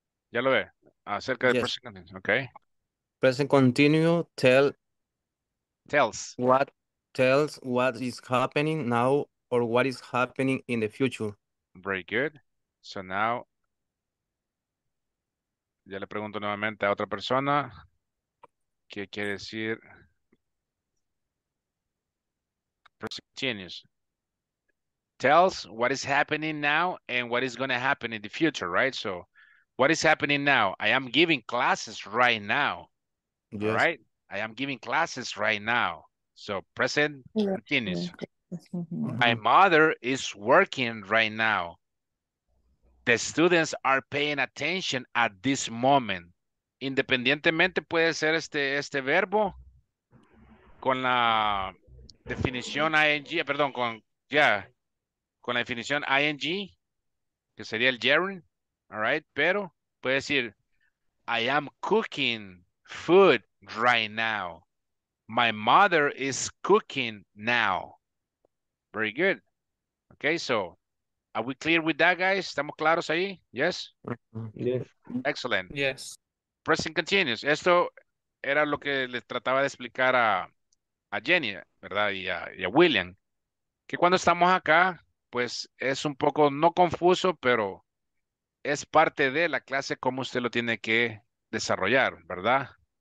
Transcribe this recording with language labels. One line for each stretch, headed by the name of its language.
Spanish: ¿Ya lo ve? Acerca de present continuous, okay.
English: Present continuous tells. What tells what is happening now or what is happening in the future. Very good.
Spanish: So now, ya le pregunto nuevamente a otra persona, ¿qué quiere decir?
English: Continuous. Tells what is happening now and what is going to happen in the future, right? So, What is happening now? I am giving classes right now. Yes. Right? I am giving classes right now. So present continuous. My mother is working right now. The students are paying attention at this moment.
Spanish: Independientemente puede ser este verbo con la definición ing, perdón, con ya, yeah, con la definición ing, que sería el gerund,
English: all right?
Spanish: Pero puede decir,
English: I am cooking food right now. My mother is cooking now. Very good. Okay, so are we clear with that, guys?
Spanish: ¿Estamos claros ahí?
English: Yes? Yes. Excellent. Yes. Present continuous.
Spanish: Esto era lo que les trataba de explicar a Jenny, ¿verdad? Y a William. Que cuando estamos acá, pues es un poco no confuso, pero es parte de la clase como usted lo tiene que desarrollar, ¿verdad?